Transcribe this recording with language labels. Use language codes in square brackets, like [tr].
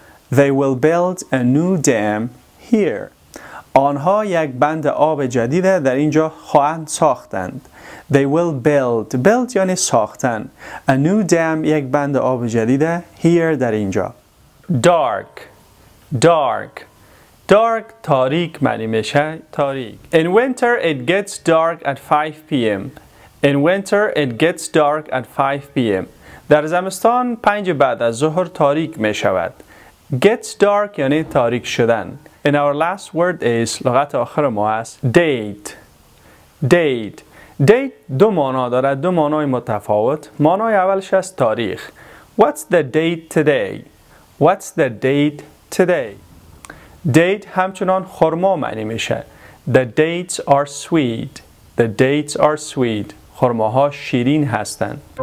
[en] They will build a new dam here. [fa] آنها یک بند آب جدید در اینجا خواهند ساختند. [en] They will build [fa] یعنی ساختن. [en] A new dam [fa] یک بند آب جدیده here در اینجا. [en] Dark dark. [fa] Dark تاریک معنی میشه تاریک. [en] In winter it gets dark at 5 p.m. In winter it gets dark at 5 p.m. [fa] در زمستان 5 بعد از ظهر تاریک می شود. Gets dark یعنی تاریک شدن. [en] And our last word is [fa] لغت آخر ما است [en] date. Date. [fa] Date دو معنا دارد، دو معنای متفاوت. معنای اولش است تاریخ. [en] What's the date today? What's the date today? [fa] Date همچنان خرما معنی میشه. [en] The dates are sweet. The dates are sweet. [fa] خرماها شیرین هستند.